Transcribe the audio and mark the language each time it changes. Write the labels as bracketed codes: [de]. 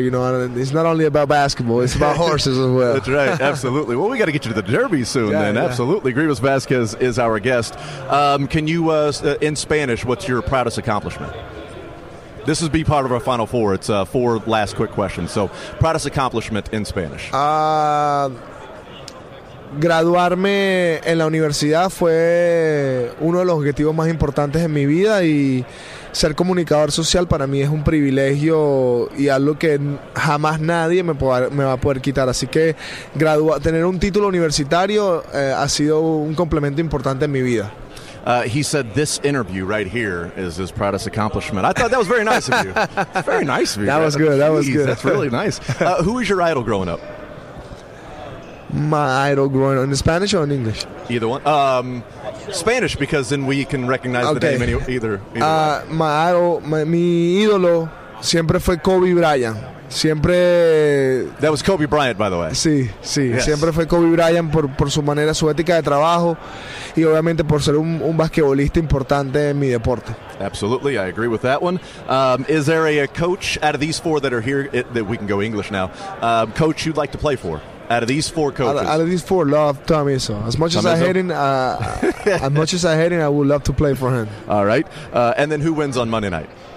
[en] It's not only about basketball; it's about horses as well. That's right. Absolutely. Well, we got to get you to the Derby soon, yeah, then. Yeah. Absolutely. Grievous Vasquez is our guest. Can you, in Spanish, what's your proudest accomplishment? This would be part of our Final Four. It's four last quick questions. So, proudest accomplishment in Spanish. [es] Graduarme en la universidad fue uno de los objetivos más importantes en mi vida y ser comunicador social para mí es un privilegio y algo que jamás nadie me va a poder quitar. Así que tener un título universitario ha sido un complemento importante en mi vida. [en] He said this interview right here is his proudest accomplishment. I thought that was very nice of you. Very nice of you. That was good. That was good. That's really nice. Who was your idol growing up? My idol growing up in Spanish or in English? Either one. Spanish, because then we can recognize the name either. [es] Mi ídolo siempre fue Kobe Bryant. Siempre. [en] That was Kobe Bryant, by the way. [es] Sí, sí. [en] Yes. [es] Siempre fue Kobe Bryant por su manera, su ética de trabajo, y obviamente por ser un basquetbolista importante en mi deporte. [en] Absolutely, I agree with that one. Is there a coach out of these four that are here that we can go English now? Coach you'd like to play for? Out of these four coaches, out of these four, love Tommy Izzo. as much as I hate him, I would love to play for him. All right, and then who wins on Monday night?